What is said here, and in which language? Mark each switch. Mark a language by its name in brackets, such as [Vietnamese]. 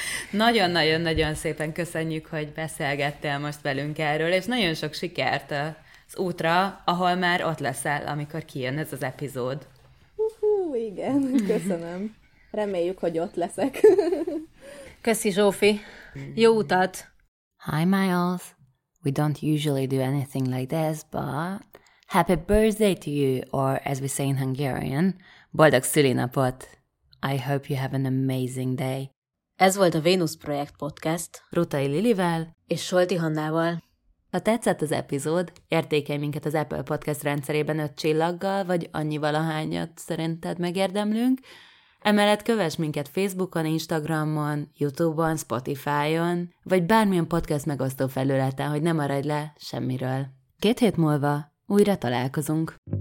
[Hungarian] Nagyon-nagyon-nagyon szépen köszönjük, hogy beszélgettél most velünk erről, és nagyon sok sikert az útra, ahol már ott leszel, amikor kijön ez az epizód. Igen, köszönöm. Reméljük, hogy ott leszek. Köszi, Zsófi. Jó utat. [English] Hi, Miles. We don't usually do anything like this, but happy birthday to you, or as we say in Hungarian, [Hungarian] boldog szülinapot. [English] I hope you have an amazing day. [Hungarian] Ez volt a Vénusz Projekt Podcast Rutai Lilivel és Solti Hannával. Ha tetszett az epizód, értékelj minket az Apple Podcast rendszerében 5 csillaggal, vagy annyival ahányat szerinted megérdemlünk. Emellett kövess minket Facebookon, Instagramon, YouTube-on, Spotify-on, vagy bármilyen podcast megosztó felületen, hogy ne maradj le semmiről. 2 hét múlva újra találkozunk.